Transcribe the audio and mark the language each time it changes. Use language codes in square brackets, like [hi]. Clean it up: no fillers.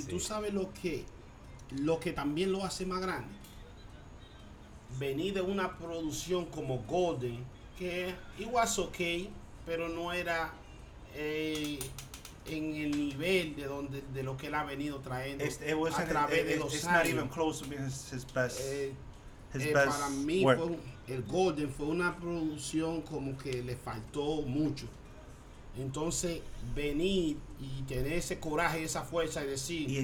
[es] Y tú sabes lo que también lo hace más grande. Venir de una producción como Golden, que [en] it was okay, [es] pero no era en el nivel de lo que él ha venido trayendo a través de los años. [en] It's not even close to being his best. [es] Para mí el Golden fue una producción como que le faltó mucho. Entonces, venir y tener ese coraje, esa fuerza y decir...